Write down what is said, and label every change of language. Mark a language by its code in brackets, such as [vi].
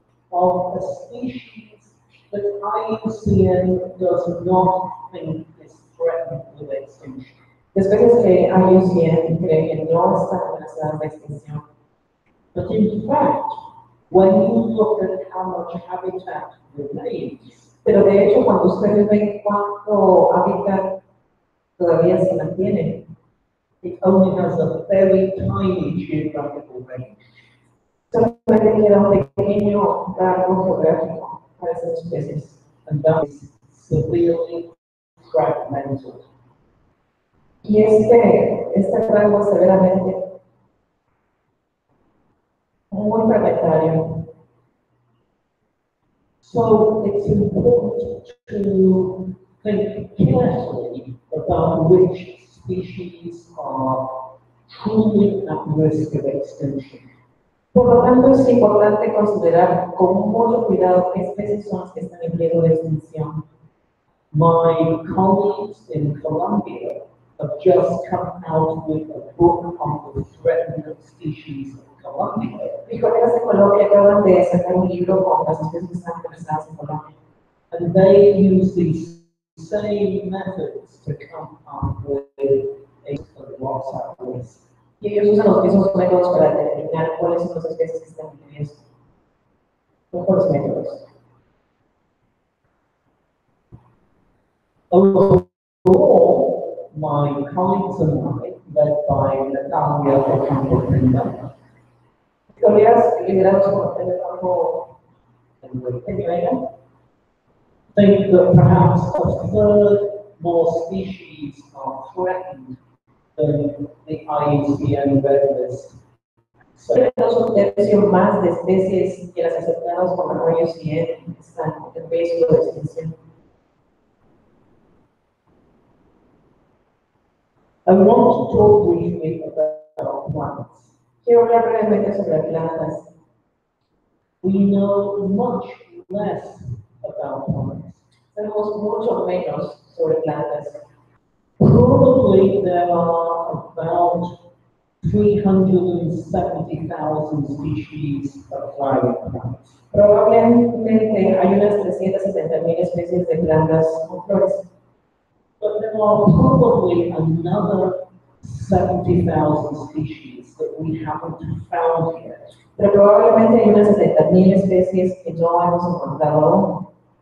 [en] Of a species that IUCN does not think is threatened with extinction. [es] Especies que IUCN cree que no están amenazadas de extinción. [en] But in fact, when you look at how much habitat remains, [es] pero de hecho cuando ustedes ven cuánto hábitat todavía se mantiene, [en] it only has a very tiny geographical range. [es] Solamente queda un pequeño rango geográfico para esas especies. [en] And that is severely fragmented. [es] Y este rango severamente muy fragmentario. [en] So it's important to think carefully about which species are truly at risk of extinction. [es] Por lo tanto, es importante considerar con mucho cuidado qué especies son las que están en riesgo de extinción. [en] My colleagues in Colombia have just come out with a book on the threatened species of Colombia. [es] Mi colega de Colombia acaba de sacar un libro con las especies amenazadas en Colombia. [en] And they use these same methods to come up with a loss at risk. [es] Y ellos usan los mismos métodos para determinar cuáles son las especies que están en riesgo. Mejores métodos. [en] Overall, my colleagues and I, led by Natalia Ocampo-Pinda, think that perhaps a third more species are threatened than the IUCN red list. [es] So, más de especies que las aceptadas por la IUCN están en riesgo de extinción. [en] I want to talk briefly about plants. [es] Quiero hablar brevemente sobre plantas. [en] We know much less about plants. [es] Sabemos mucho menos sobre plantas. [en] Probably there are about 370,000 species of flowering plants. [es] Probablemente hay unas 370,000 especies de plantas con flores. [en] But there are probably another 70,000 species that we haven't found yet. [es] Pero probablemente hay unas 70,000 especies que no hemos encontrado.